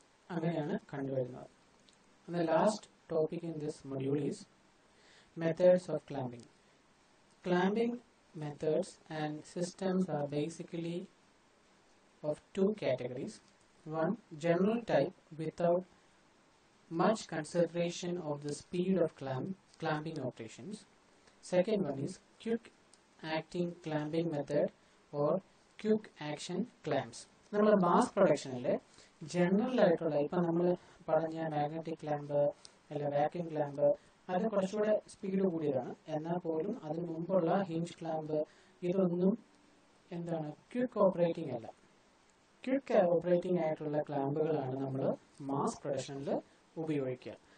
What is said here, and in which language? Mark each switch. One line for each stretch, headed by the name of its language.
Malayalam: അങ്ങനെയാണ് കണ്ടുവരുന്നത്.
English: Last topic in this module is methods of clamping. Clamping methods and systems are basically of two categories. One, general type without much consideration of the speed of clamping operations. Second one is quick acting clamping method or quick action clamps.
Malayalam: നമ്മള് mass പ്രൊഡക്ഷനിലെ general ആയിട്ടുള്ള ഇപ്പൊ നമ്മൾ പറഞ്ഞ magnetic clamp അല്ലെ vacuum clamp അത് കുറച്ചുകൂടെ speed കൂടിയതാണ്. എന്നാൽ പോലും അതിന് മുമ്പുള്ള ഹിഞ്ച് ക്ലാമ്പ് ഇതൊന്നും എന്താണ് ക്യൂക്ക് ഓപ്പറേറ്റിംഗ് അല്ല. ക്യൂക്ക് ഓപ്പറേറ്റിംഗ് ആയിട്ടുള്ള ക്ലാമ്പുകളാണ് നമ്മൾ മാസ് പ്രൊഡക്ഷനിൽ ഉപയോഗിക്കുക.